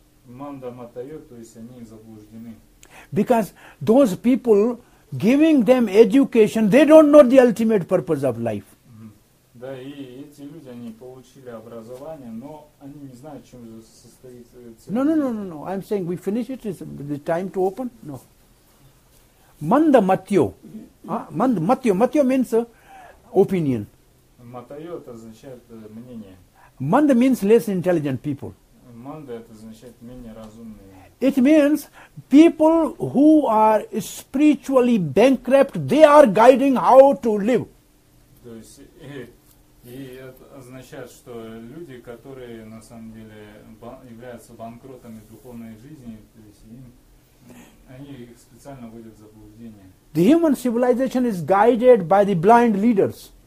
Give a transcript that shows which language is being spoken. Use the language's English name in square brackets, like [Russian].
[Russian] Манда матьо, то есть они заблуждены. [English] Because those people, giving them education, they don't know the ultimate purpose of life. [Russian] Да, и эти люди, они получили образование, но они не знают, чем же состоит цель. [English] No. I'm saying we finish it. Is the time to open? No. [Sanskrit] Manda matyo. Manda matyo. [English] Matyo means opinion. [Russian] Matayo, это означает мнение. [English] Manda means less intelligent people. [Russian] Манда это означает менее разумные. [English] It means people who are spiritually bankrupt, they are guiding how to live. [Russian] То есть, и это означает, что люди, которые на самом деле являются банкротами духовной жизни, то есть им, они их специально вводят в заблуждение. [English] The human civilization is guided by the blind leaders.